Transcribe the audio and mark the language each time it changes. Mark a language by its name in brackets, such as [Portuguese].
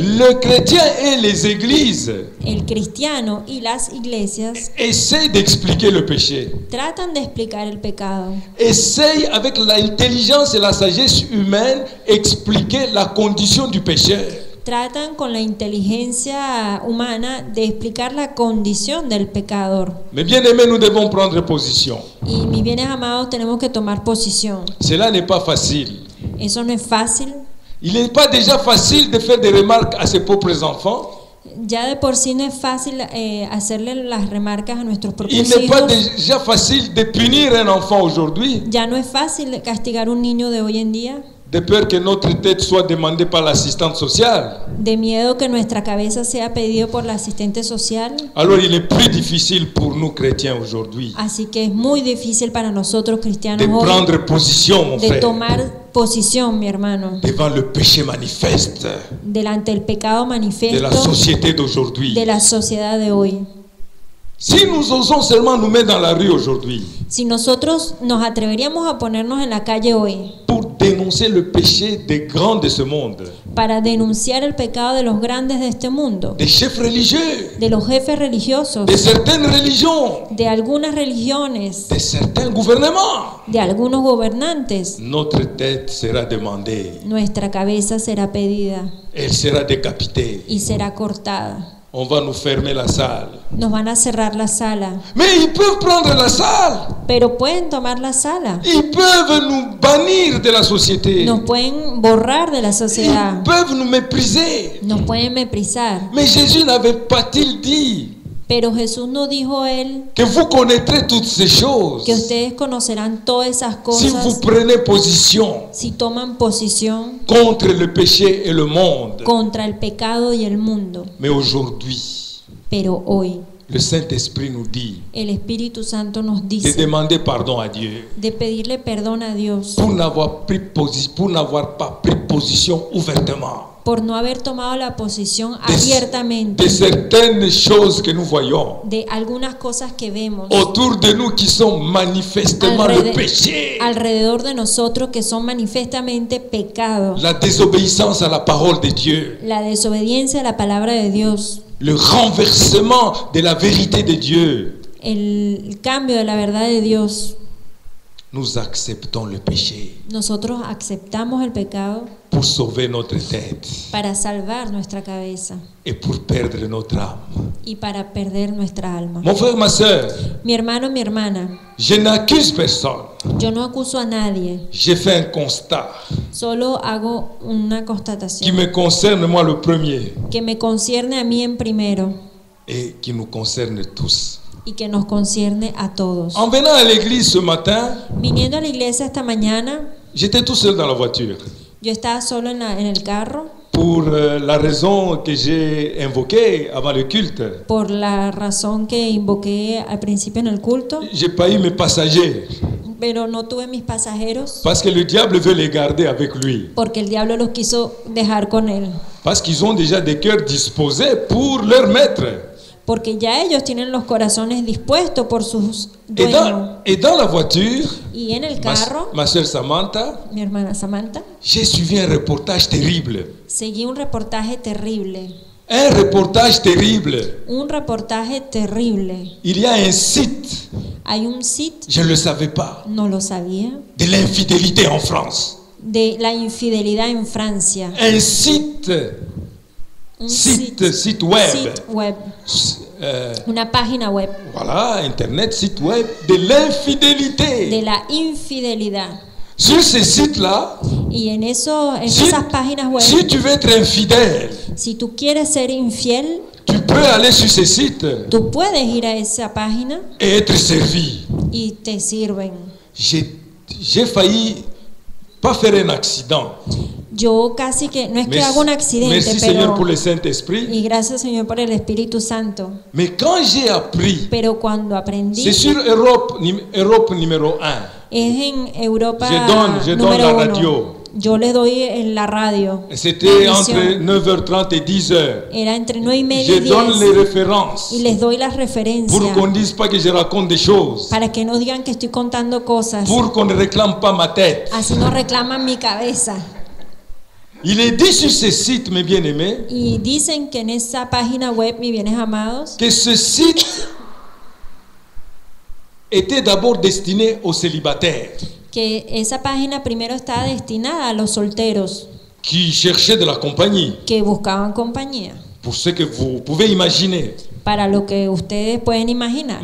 [French] le chrétien et les églises, [Spanish] el cristiano y las iglesias, [French] essayent d'expliquer le péché. [Spanish] Tratan de explicar el pecado. [French] Essayent avec la intelligence et la sagesse humaine expliquer la condition du pécheur. [Spanish] Tratan con la inteligencia humana de explicar la condición del pecador. [French] Mais bien aimé, nous devons prendre position. [Spanish] Y mis bienes amados, tenemos que tomar posición. [French] Cela n'est pas facile. [Spanish] Eso no es fácil. [French] Il n'est pas déjà facile de faire des remarques à ses propres enfants. [Spanish] Ya de por sí no es fácil hacerle las remarques a nuestros propios hijos. [French] Il n'est pas déjà facile de punir un enfant aujourd'hui. [Spanish] Ya no es fácil castigar un niño de hoy en día. [French] De peur que notre tête soit demandée par l'assistante sociale. [Spanish] De miedo que nuestra cabeza sea pedido por la asistente social. [French] Alors il est plus difficile pour nous chrétiens aujourd'hui. [Spanish] Así que es muy difícil para nosotros cristianos de hoy. [French] De prendre position, mon de frère. [Spanish] De tomar posición, mi hermano. [French] Devant le péché manifeste. [Spanish] Delante el pecado manifiesto. [French] De la société d'aujourd'hui. [Spanish] De la sociedad de hoy. [French] Si nous osons seulement nous mettre dans la rue aujourd'hui. [Spanish] Si nosotros nos atreveríamos a ponernos en la calle hoy. [French] Dénoncer le péché des grands de ce monde. [Spanish] Para denunciar el pecado de los grandes de este mundo. [French] Des chefs religieux. [Spanish] De los jefes religiosos. [French] De certaines religions. [Spanish] De algunas religiones. [French] De certains gouvernements. [Spanish] De algunos gobernantes. [French] Notre tête sera demandée. [Spanish] Nuestra cabeza será pedida. [French] Elle sera décapitée. [Spanish] Y será cortada. [French] on va nous fermer la salle. [Spanish] Nos van a cerrar la sala. [French] Mais ils peuvent prendre la salle. [Spanish] Pero pueden tomar la sala. [French] Ils peuvent nous bannir de la société. [Spanish] Nos pueden borrar de la sociedad. [French] Ils peuvent nous mépriser. [Spanish] Nos pueden méprisar. [French] Mais Jésus n'avait pas-t-il dit? [Spanish] Pero Jesús no dijo él [French] que vous connaîtrez toutes ces choses. [Spanish] Que ustedes conocerán todas esas cosas. [French] Si vous prenez position. [Spanish] Si toman posición. [French] Contre le péché et le monde. [Spanish] Contra el pecado y el mundo. [French] Mais aujourd'hui. [Spanish] Pero hoy. [French] Le Saint-Esprit nous dit. [Spanish] El Espíritu Santo nos dice. [French] De demander pardon à Dieu. [Spanish] De pedirle perdón a Dios. [French] Pour n'avoir pas pris position ouvertement. [Spanish] Por no haber tomado la posición abiertamente [French] de certaines choses que nous voyons, [Spanish] de algunas cosas que vemos [French] autour de nous qui sont manifestement le péché, [Spanish] alrededor de nosotros que son manifestamente pecado, [French] la désobéissance à la parole de Dieu, [Spanish] la desobediencia a la palabra de Dios, [French] le renversement de la vérité de Dieu, [Spanish] el cambio de la verdad de Dios. [French] Nous acceptons le péché. [Spanish] Nosotros aceptamos el pecado. [French] Pour sauver notre tête. [Spanish] Para salvar nuestra cabeza. [French] Et pour perdre notre âme. [Spanish] Y para perder nuestra alma. [French] Mon frère, ma sœur. [Spanish] Mi hermano, mi hermana. [French] Je n'accuse personne. [Spanish] Yo no acuso a nadie. [French] J'ai fait un constat. [Spanish] Solo hago una constatación. [French] Qui me concerne moi le premier. [Spanish] Que me concierne a mí en primero. [French] Et qui nous concerne tous. [Spanish] Y que nos concierne a todos. [French] En venant à l'église ce matin, [Spanish] viniendo a la iglesia esta mañana, [French] j'étais tout seul dans la voiture. [Spanish] Yo estaba solo en el carro. [French] Pour la raison que j'ai invoquée avant le culte. [Spanish] Por la razón que invoqué al principio en el culto. [French] J'ai pas eu mes passagers. [Spanish] Pero no tuve mis pasajeros. [French] Parce que le diable veut les garder avec lui. [Spanish] Porque el diablo los quiso dejar con él. [French] Parce qu'ils ont déjà des cœurs disposés pour leur maître. [Spanish] Porque ya ellos tienen los corazones dispuestos por sus dueños. [French] Et dans la voiture, [Spanish] y en el carro, [French] ma soeur Samantha, [Spanish] mi hermana Samantha, [French] j'ai suivi un reportage terrible. [Spanish] Seguí un reportaje terrible. [French] Un reportage terrible. [Spanish] Un reportaje terrible. [French] Il y a un site. [Spanish] Hay un site. [French] Je ne le savais pas. [Spanish] No lo sabía. [French] De l'infidélité en France. [Spanish] De la infidelidad en Francia. [French] Un site. Site web. [Spanish] Una página web. [French] Voilà, internet, site web de l'infidélité. [Spanish] De la infidelidad. [French] Sur ces sites-là. [Spanish] Y en eso, en si, esas páginas web. [French] Si tu veux être infidèle. [Spanish] Si tú quieres ser infiel. [French] Tu peux aller sur ces sites. [Spanish] Tú puedes ir a esa página. [French] Et être servi. [Spanish] Y te sirven. [French] J'ai failli pas faire un accident. [Spanish] Yo casi que no es que haga un accidente, [French] merci, [Spanish] pero Señor, por el Saint-Esprit. Y gracias Señor por el Espíritu Santo. [French] Mais quand j'ai appris, [Spanish] pero cuando aprendí. [French] C'est sur Europe numéro 1. [Spanish] Es en Europa. [French] Je donne la radio. [Spanish] Yo le doy en la radio. [French] C'était entre 9h30 et 10h. [Spanish] Era entre 9 y media. [French] Je donne les références. [Spanish] Y les doy las referencias. [French] Pour qu'on dise pas que je raconte des choses. [Spanish] Para que no digan que estoy contando cosas. [French] Pour qu'on ne réclame pas ma tête. [Spanish] Así no reclaman mi cabeza. [French] Il est dit sur ce site, mes bien-aimés. [Spanish] Y dicen que en esa página web, mis bienes amados. [French] Que ce site était d'abord destiné aux célibataires. [Spanish] Que esa página primero estaba destinada a los solteros. [French] Qui cherchaient de la compagnie. [Spanish] Que buscaban compañía. [French] Pour ce que vous pouvez imaginer. [Spanish] Para lo que ustedes pueden imaginar.